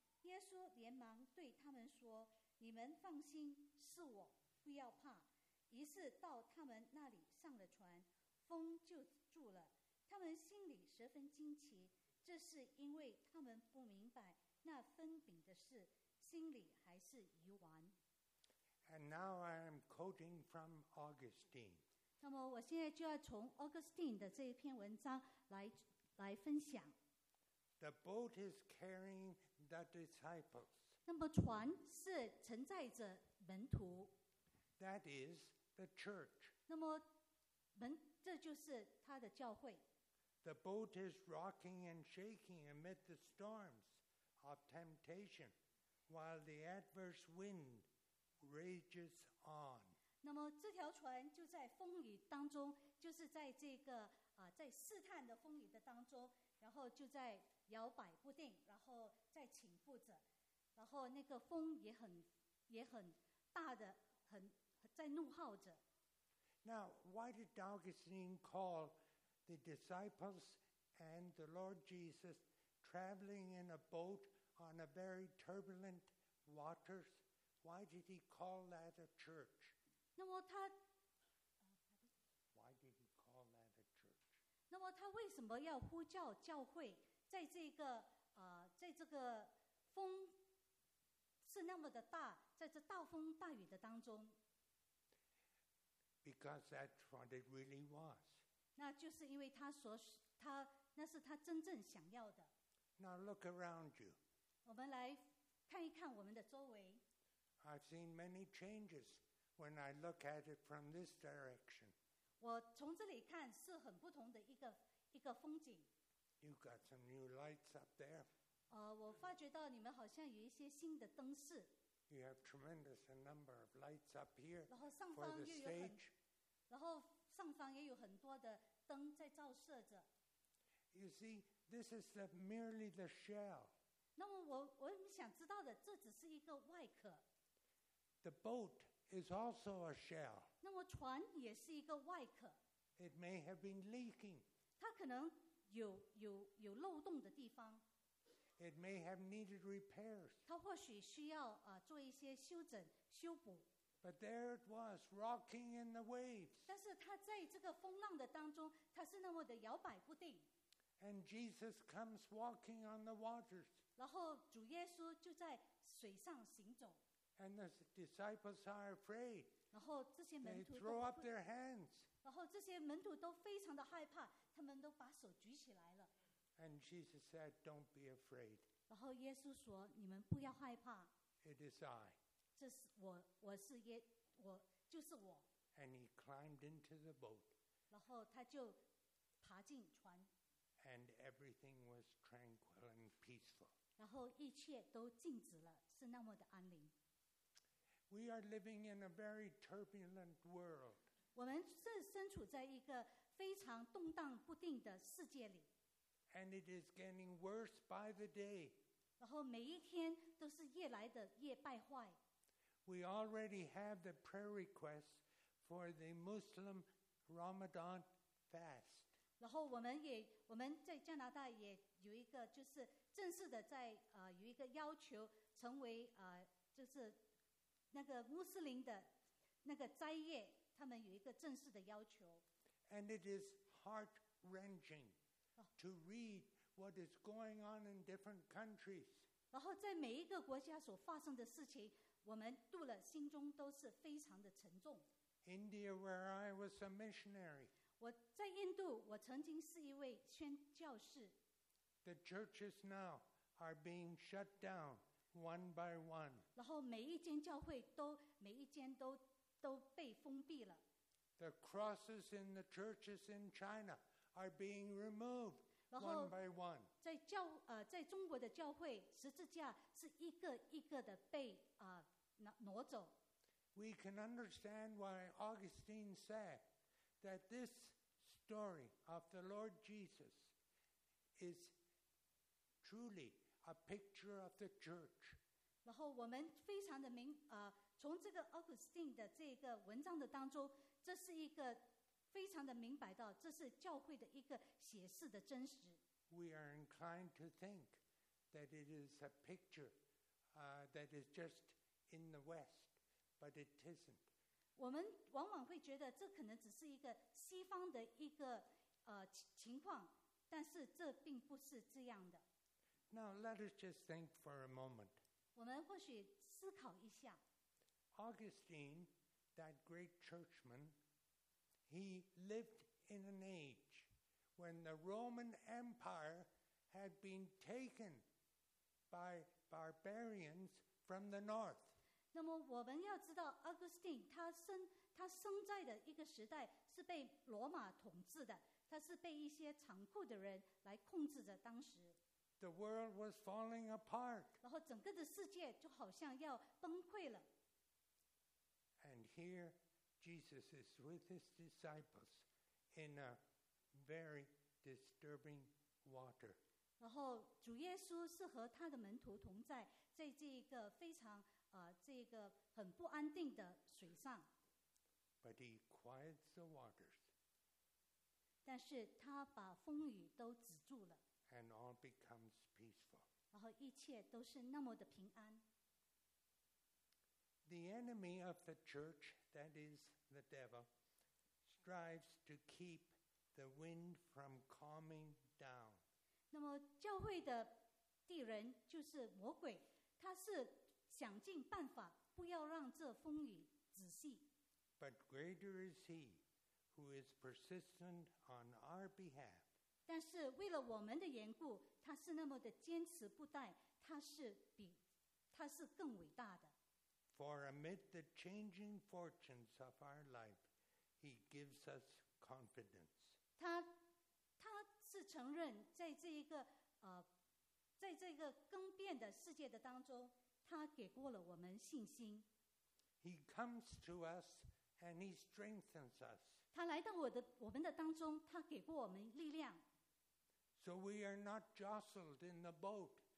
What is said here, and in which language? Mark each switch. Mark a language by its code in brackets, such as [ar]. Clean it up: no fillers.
[zh] 耶稣连忙对他们说，你们放心，是我，不要怕。于是到他们那里上了船，风就住了。他们心里十分惊奇，这是因为他们不明白那分饼的事，心里还是疑惑。 [en] And now I am quoting from Augustine. [zh] 那么我现在就要从 Augustine 的这一篇文章 来分享。 [en] The boat is carrying the disciples. [zh] 那么船是承载着门徒。 [en] That is the church. [zh] 那么这就是他的教会。 [en] The boat is rocking and shaking amid the storms of temptation, while the adverse wind rages on. [zh] 那么这条船就在风雨当中，就是在这个在试探的风雨的当中，然后就在摇摆不定，然后在倾覆着，然后那个风也很大的，很在怒号着。 [en] Now, why did Augustine call the disciples and the Lord Jesus traveling in a boat on a very turbulent waters? Why did he call that a church? [zh] 那么他 [en] Why did he call that a church? [zh] 那么他为什么要呼叫教会在这个在这个风是那么的大，在这大风大雨的当中？ [en] Because that's what it really was. [zh] 那就是因为他所他那是他真正想要的。 [en] Now look around you. [zh] 我们来看一看我们的周围。 [en] I've seen many changes when I look at it from this direction. [zh] 我从这里看是很不同的一个风景。 [en] You've got some new lights up there. [zh] 我发觉到你们好像有一些新的灯饰。 [en] You have tremendous a number of lights up here. [zh] 然后上方又有很，然后上方也有很多的灯在照射着。 [en] You see, this is the merely the shell. [zh] 那么我想知道的，这只是一个外壳。 [en] The boat is also a shell. [zh] 那么船也是一个外壳。 [en] It may have been leaking. [zh] 它可能有漏洞的地方。 [en] It may have needed repairs. [zh] 它或许需要做一些修整修补。 [en] But there it was, rocking in the waves. [zh] 但是它在这个风浪的当中，它是那么的摇摆不定。 [en] And Jesus comes walking on the waters. [zh] 然后主耶稣就在水上行走。 [en] And the disciples are afraid. [zh] 然后这些门徒 [en] They throw up their hands. [zh] 然后这些门徒都非常的害怕，他们都把手举起来了。 [en] And Jesus said, "Don't be afraid." [zh] 然后耶稣说，你们不要害怕。 [en] It is I. [zh] 这是我，我是耶，我就是我。 [en] And he climbed into the boat. [zh] 然后他就爬进船。 [en] And everything was tranquil and peaceful. [zh] 然后一切都静止了，是那么的安宁。 [en] We are living in a very turbulent world. [zh] 我们正身处在一个非常动荡不定的世界里。 [en] And it is getting worse by the day. [zh] 然后每一天都是越来的越败坏。 [en] We already have the prayer requests for the Muslim Ramadan fast. [zh] 然后我们在加拿大也有一个就是正式的在有一个要求成为就是那个穆斯林的那个斋月，他们有一个正式的要求。 [en] And it is heart wrenching. To read what is going on in different countries. [zh] 然后在每一个国家所发生的事情，我们读了心中都是非常的沉重。 [en] India, where I was a missionary. [zh] 我在印度，我曾经是一位宣教士。 [en] The churches now are being shut down one by one. [zh] 然后每一间教会都每一间都被封闭了。 [en] The crosses in the churches in China. Are being removed one by one. [zh] 在教在中国的教会，十字架是一个一个的被挪走。 [en] We can understand why Augustine said that this story of the Lord Jesus is truly a picture of the church. [zh] 然后我们非常的明从这个 Augustine 的这个文章的当中，这是一个非常的明白到，这是教会的一个写实的真实。 [en] We are inclined to think that it is a picture that is just in the West, but it isn't. [zh] 我们往往会觉得这可能只是一个西方的一个情况，但是这并不是这样的。 [en] Now let us just think for a moment. [zh] 我们或许思考一下。 [en] Augustine, that great churchman, he lived in an age when the Roman Empire had been taken by barbarians from the north. [zh] 那么我们要知道 Augustine 他生在的一个时代是被罗马统治的，他是被一些残酷的人来控制着当时。 [en] The world was falling apart. [zh] 然后整个的世界就好像要崩溃了。 [en] And here, Jesus is with his disciples in a very disturbing water. [zh] 然后主耶稣是和他的门徒同在，在这个非常这个很不安定的水上。 [en] But he quiets the waters. [zh] 但是他把风雨都止住了。 [en] And all becomes peaceful. [zh] 然后一切都是那么的平安。 [en] The enemy of the church, that is the devil, strives to keep the wind from calming down. [zh] 那么教会的敌人就是魔鬼，他是想尽办法不要让这风雨止息。 [en] But greater is he who is persistent on our behalf. [zh] 但是为了我们的缘故，他是那么的坚持不怠，他是更伟大的。 [en] For amid the changing fortunes of our life, he gives us confidence. [zh] 他是承认在这一个在这个更变的世界的当中，他给过了我们信心。 [en] He comes to us and he strengthens us. [zh] 他来到我们的当中，他给过我们力量。 [en] So we are not jostled in the boat.